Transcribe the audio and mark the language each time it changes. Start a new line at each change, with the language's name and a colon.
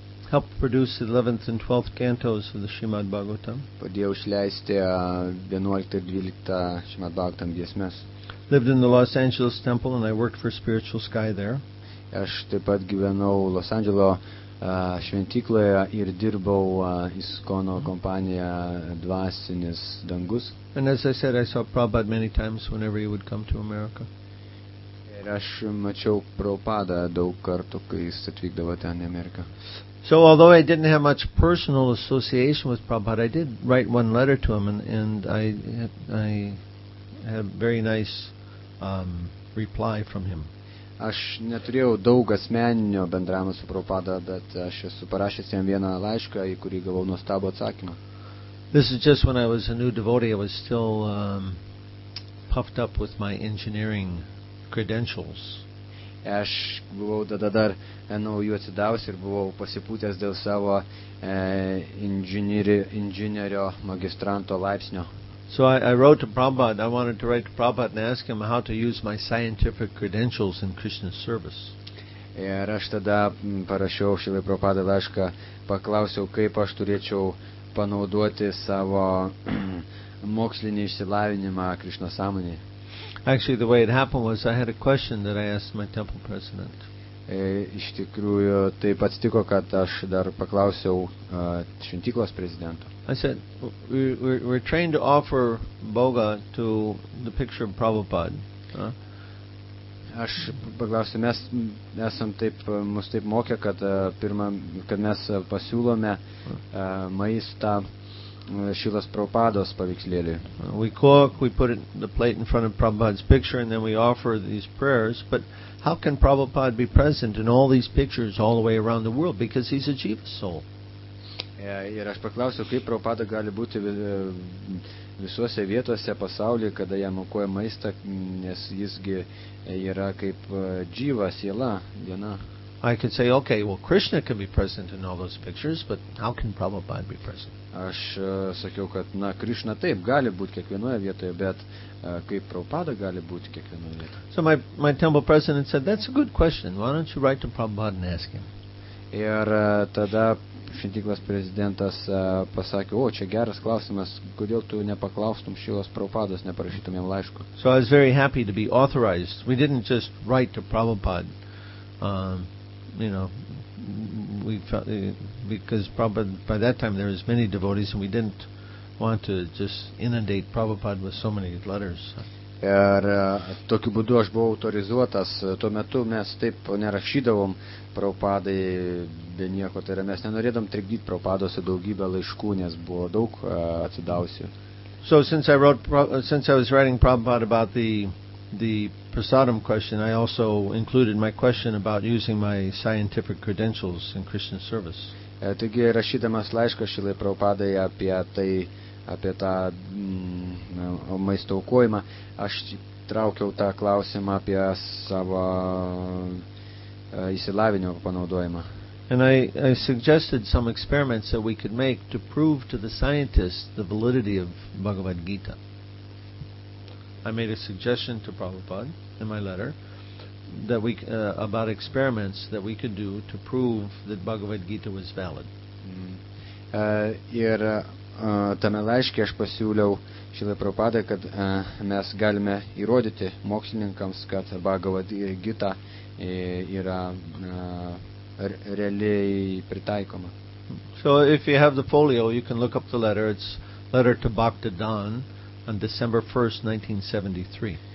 English: Helped produce the 11th and 12th cantos of the Srimad Bhagavatam.
Lithuanian: Padėjau išleisti 11 ir 12 Srimad Bhagavatam giesmes.
English: Lived in the Los Angeles temple and I worked for Spiritual Sky there.
Lithuanian: Aš taip pat gyvenau Los Angeles šventykloje ir dirbau Iskono kompanija Dvasinis Dangus.
English: And as I said, I saw Prabhupada many times whenever he would come to America.
Lithuanian: Ir aš mačiau Prabhupada daug kartų, kai jis atvykdavo ten į Ameriką.
English: So although I didn't have much personal association with Prabhupada, I did write one letter to him and I had a very nice reply from him.
Lithuanian: Aš neturėjau daug asmeninio bendravimo su Prabhupada, bet aš esu parašęs jam vieną laišką, į kurį gavau nuostabų atsakymą.
English: This is just when I was a new devotee, I was still puffed up with my engineering credentials.
Lithuanian: Aš buvau tada dar naujų atsidavęs ir buvau pasipūtęs dėl savo inžinierio magistranto laipsnio.
English: I wrote to Prabhupada. I wanted to write to Prabhupada and ask him how to use my scientific credentials in Krishna's service.
Lithuanian: Ir aš tada parašiau Šrilai Prabhupadai laišką, paklausiau, kaip aš turėčiau panaudoti savo mokslinį išsilavinimą Krishna sąmonėje.
English: Actually, the way it happened was I had a question that I asked my temple president.
Lithuanian: Iš tikrųjų, taip pat stiko, kad aš dar paklausiau šventyklos prezidento.
English: I said, we're trained to offer boga to the picture of Prabhupada.
Lithuanian: Aš paklausiu, mes esam taip, mus taip mokė, kad pirmą, kad mes pasiūlome maistą Šrilos Prabhupados paveikslėliui.
English: We cook, we put it in the plate in front of Prabhupada's picture and then we offer these prayers, but how can Prabhupada be present in all these pictures all the way around the world because he's a jiva soul?
Lithuanian: Ir aš paklausiu, kaip Prabhupada gali būti visuose vietuose pasaulyje, kada jam aukoja maistą, nes jisgi yra kaip jiva siela, viena.
English: I could say, okay, well, Krishna can be present in all those pictures, but how can Prabhupada be present?
Lithuanian: Aš sakiau, kad, na, Krishna taip, gali būti kiekvienoje vietoje, bet kaip Prabhupada gali būti kiekvienoje vietoje?
English: So my temple president said, that's a good question. Why don't you write to Prabhupada and ask him?
Lithuanian: Ir tada šventyklos prezidentas pasakė, o, čia geras klausimas, kodėl tu nepaklaustum Šrilos Prabhupados, neparašytum jam laišku?
English: So I was very happy to be authorized. We didn't just write to Prabhupada. We felt because Prabhupada, by that time there was many devotees and we didn't want to just inundate Prabhupada with so many letters.
Lithuanian: Ir tokiu būdu aš buvau autorizuotas. Tuo metu mes taip nerašydavom Prabhupadai be nieko. Tai yra, mes nenorėdom trikdyti Prabhupados daugybę laiškų, nes buvo daug atsidausių.
English: So since I was writing Prabhupada about the prasadam question, I also included my question about using my scientific credentials in Krishna service.
Lithuanian: Taigi, rašydamas laišką Šrilai Prabhupadai apie tai, apie tą maisto aukojimą, aš traukiau tą klausimą apie savo išsilavinimo panaudojimą.
English: And I suggested some experiments that we could make to prove to the scientists the validity of Bhagavad Gita. I made a suggestion to Prabhupada in my letter that we about experiments that we could do to prove that Bhagavad Gita was valid.
Lithuanian: Tame laiške aš pasiūliau Šrilai Prabhupadai, kad mes galime įrodyti mokslininkams, kad Bhagavad Gita yra realiai pritaikoma.
English: So if you have the folio, you can look up the letter. It's letter to Bhakta Dan on December 1st, 1973.